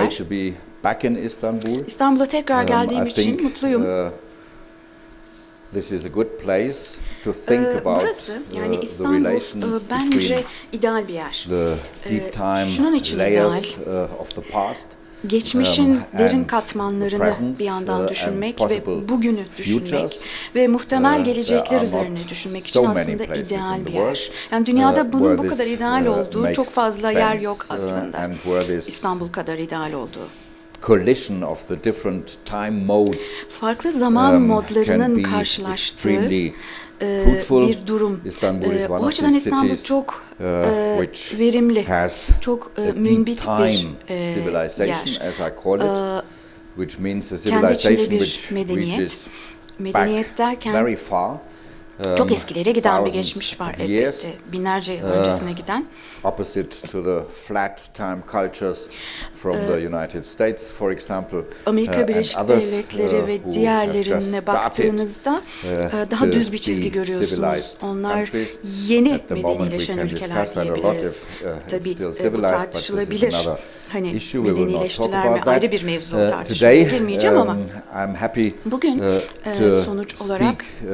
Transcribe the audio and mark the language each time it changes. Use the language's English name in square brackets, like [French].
[English] Great to be back in Istanbul. [Turkish] İstanbul'a tekrar geldiğim için [English] think, [Turkish] mutluyum. [English] This is a good place to think about [Turkish] burası, yani İstanbul, [English] the relations between the deep time layers of the past, [Turkish] geçmişin derin katmanlarını [English] present, [Turkish] bir yandan düşünmek ve bugünü düşünmek ve muhtemel gelecekler üzerine düşünmek için aslında ideal bir yer. Yani dünyada bunun bu kadar ideal olduğu çok fazla yer yok aslında. İstanbul kadar ideal olduğu. [English] Collision of the different time modes. [Turkish] Farklı zaman modlarının karşılaştığı bir durum. [English] İstanbul is one [Turkish] o açıdan İstanbul çok verimli, çok münbit bir [English] civilization, [Turkish] yer. [English] As I call it, which means a civilization [Turkish] kendi içinde bir medeniyet. Medeniyet derken [English] very far, [Turkish] çok eskilere giden bir geçmiş var elbette, binlerce yıl öncesine giden. [English] Opposite to the flat time cultures from the United States, for example, [Turkish] Amerika Birleşik Devletleri ve diğerlerine baktığınızda daha düz bir çizgi görüyorsunuz. Onlar yeni medenileşen ülkeler diyebiliriz. Tabii bu tartışılabilir. Hani medenileştiler mi ayrı bir mevzu tartışmaya girmeyeceğim ama bugün sonuç olarak